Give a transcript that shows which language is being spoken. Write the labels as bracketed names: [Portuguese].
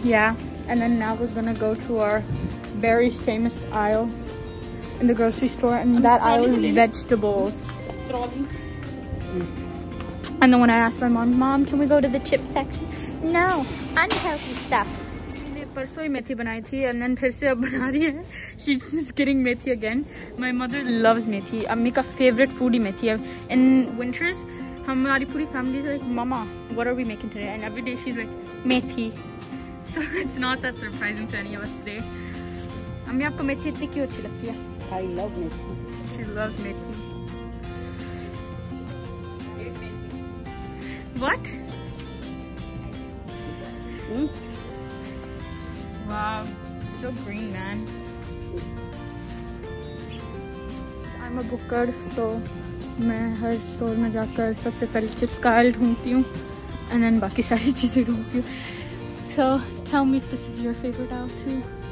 [English] yeah, and then now we're gonna go to our very famous aisle in the grocery store, and that aisle is vegetables. And then when I asked my mom, "Mom, can we go to the chip section?" No, unhealthy stuff. [Hindi] मैंने परसों ही मेथी बनाई थी, [English] and then [Hindi] फिर से अब बना रही है. [English] She's just getting methi again. My mother loves methi. [Hindi] अम्मी का favorite food ही methi है. [English] In winters, [Hindi] हमारी पूरी [English] family is like, "Mama, what are we making today?" And every day she's like, "Methi." So it's not that surprising to any of us today. [Hindi] अम्मी आपको मेथी इतनी क्यों अच्छी लगती है? [English] I love methi. She loves methi. What? Mm. Wow, so green, man. I'm a booker, so [Hindi] मैं हर store में जाकर सबसे पहले चिप्स का आइल ढूंढती हूँ, [English] and then [Hindi] बाकी सारी चीजें ढूंढती हूँ. [English] So tell me if this is your favorite aisle too.